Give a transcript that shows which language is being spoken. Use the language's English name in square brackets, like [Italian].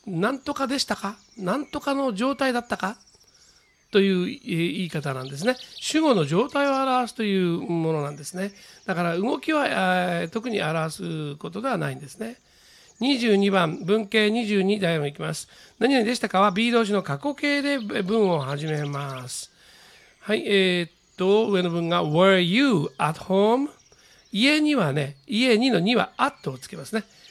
[Japanese] なんとかでしたか?なんとかの状態だったか?という、言い方なんですね。主語の状態を表すというものなんですね。だから動きは、特に表すことではないんですね。 22番、文型22台も行きます。何々でしたかは B 動詞の過去形で文を始めます。はい、上の文が [English] Were you at home? [Japanese] 家にはね、家にの2は at をつけますね。